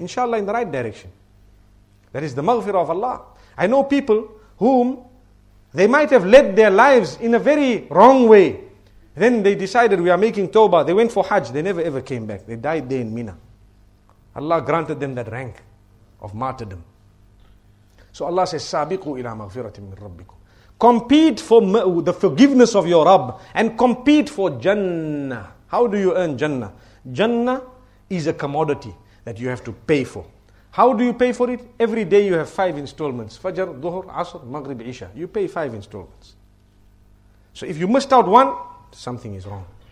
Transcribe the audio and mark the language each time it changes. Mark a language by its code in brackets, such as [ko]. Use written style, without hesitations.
[en] Inshallah, in the right direction. That is the maghfirah of Allah. I know people whom they might have led their lives in a very wrong way. Then they decided, we are making tawbah. They went for hajj. They never ever came back. They died there in Mina. Allah granted them that rank of martyrdom. So Allah says, [ar] سَابِقُوا إِلَى مَغْفِرَةٍ مِّن رَبِّكُمْ. [en] Compete for the forgiveness of your Rabb and compete for Jannah. How do you earn Jannah? Jannah is a commodity that you have to pay for. How do you pay for it? Every day you have 5 installments. Fajr, Dhuhr, Asr, Maghrib, Isha. You pay 5 installments. So if you missed out one, something is wrong.